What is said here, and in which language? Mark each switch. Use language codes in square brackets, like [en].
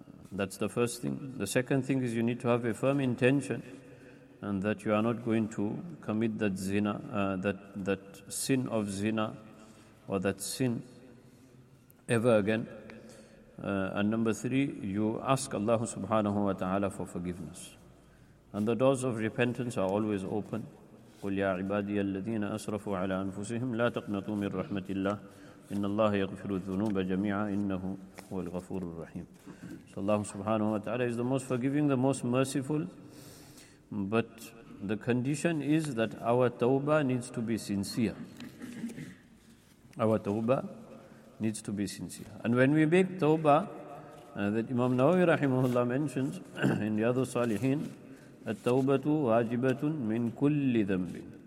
[en] That's the first thing. The second thing is you need to have a firm intention, and that you are not going to commit that zina, that sin of zina, or that sin ever again. And number three, you ask Allah subhanahu wa ta'ala for forgiveness. And the doors of repentance are always open. [ar] قُلْ يَا عِبَادِيَ الَّذِينَ أَسْرَفُوا عَلَىٰ أَنفُسِهِمْ لَا تَقْنَطُوا مِنْ رَحْمَةِ اللَّهِ إِنَّ اللَّهَ يَغْفِرُ الذُّنُوبَ جَمِيعًا إِنَّهُ هُوَ الْغَفُورُ الرَّحِيمُ. [en] So Allah subhanahu wa ta'ala is the most forgiving, the most merciful. But the condition is that our tawbah needs to be sincere. Our tawbah needs to be sincere. And when we make tawbah, that Imam Nawawi rahimahullah mentions in Riyadhu Salihin, [ar] At-tawbatu wajibatun min kulli dhanbin.